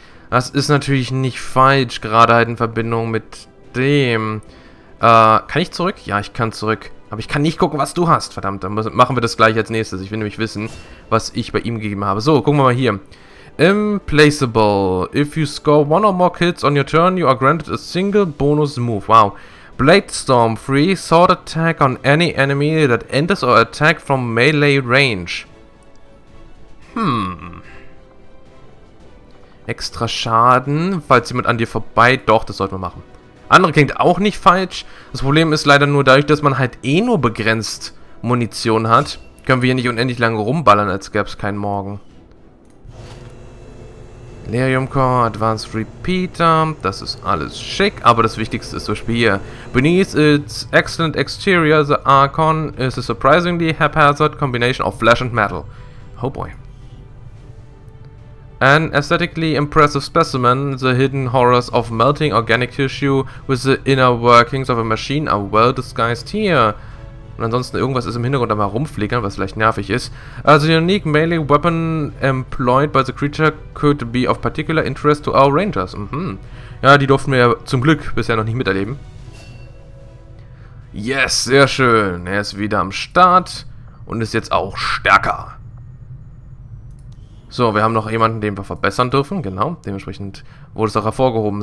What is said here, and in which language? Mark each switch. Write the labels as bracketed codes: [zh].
[de] Das ist natürlich nicht falsch, gerade halt in Verbindung mit dem. Kann ich zurück? Ja, ich kann zurück. Aber ich kann nicht gucken, was du hast. Verdammt, dann machen wir das gleich als nächstes. Ich will nämlich wissen, was ich bei ihm gegeben habe. So, gucken wir mal hier. Implacable. [en] If you score 1 or more kills on your turn, you are granted a single bonus move. Wow. Bladestorm, free sword attack on any enemy that enters or attack from melee range. [de] Extra Schaden, falls jemand an dir vorbei... Doch, das sollten wir machen. Andere klingt auch nicht falsch. Das Problem ist leider nur dadurch, dass man halt eh nur begrenzt Munition hat. Können wir hier nicht unendlich lange rumballern, als gäbe es keinen Morgen. Lerium Core, Advanced Repeater, das ist alles schick, aber das Wichtigste ist zum Beispiel hier. [en] Beneath its excellent exterior, the Archon is a surprisingly haphazard combination of flesh and metal. Oh boy. An aesthetically impressive specimen, the hidden horrors of melting organic tissue with the inner workings of a machine are well disguised here. [de] Und ansonsten irgendwas ist im Hintergrund am herumfliegern, was vielleicht nervig ist. [en] Also, the unique melee weapon employed by the creature could be of particular interest to our rangers. Mhm. [de] Ja, die durften wir ja zum Glück bisher noch nicht miterleben. [en] Yes, [de] sehr schön. Er ist wieder am Start und ist jetzt auch stärker. So, wir haben noch jemanden, den wir verbessern dürfen. Genau, dementsprechend wurde es auch hervorgehoben.